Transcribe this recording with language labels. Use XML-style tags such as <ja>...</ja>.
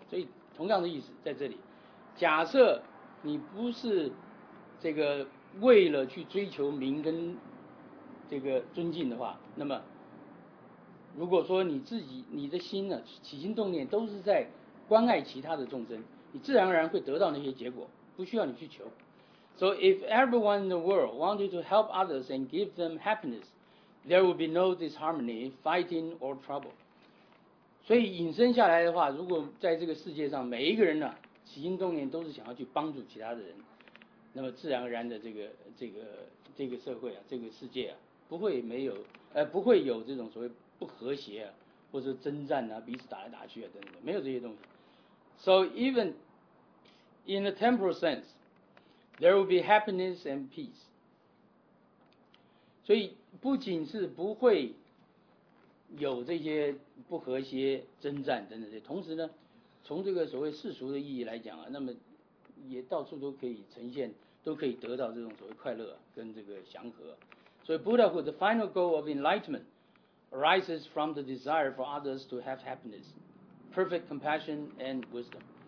<zh>所以同样的意思在这里，假设你不是这个为了去追求名跟这个尊敬的话，那么如果说你自己你的心呢起心动念都是在关爱其他的众生，你自然而然会得到那些结果，不需要你去求。</zh> <en>So if everyone in the world wanted to help others and give them happiness, there would be no disharmony, fighting or trouble.</en> <zh>所以引申下来的话，如果在这个世界上每一个人呢起心动念都是想要去帮助其他的人，那么自然而然的这个社会啊，这个世界啊，不会有这种所谓不和谐啊，或者征战啊，彼此打来打去啊等等，没有这些东西。</zh> <en>So even in the temporal sense, there will be happiness and peace.</en> <zh>所以不仅是不会有这些不和谐、征战等等，同时呢，从这个所谓世俗的意义来讲啊，那么也到处都可以呈现。都可以得到这种所谓快乐跟这个祥和，所以</zh> <en>Buddhahood, the final goal of enlightenment arises from the desire for others to have happiness, perfect compassion and wisdom.</en>